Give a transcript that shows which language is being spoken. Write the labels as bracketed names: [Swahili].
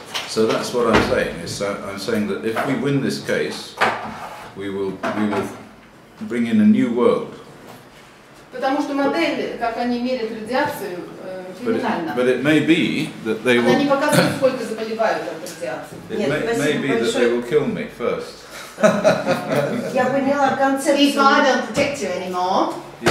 [English] So that's what I'm saying. I'm saying that if we win this case, we will bring in a new world. [Russian] Потому что модель, как они мерят радиацию, феноменальна. [English] But it may be that they will... [Russian] Она не показывает, сколько заболевают от радиации. [English] It may be that they will kill me first. [Russian] Я поняла концепцию. [English] If I don't protect you anymore, yeah.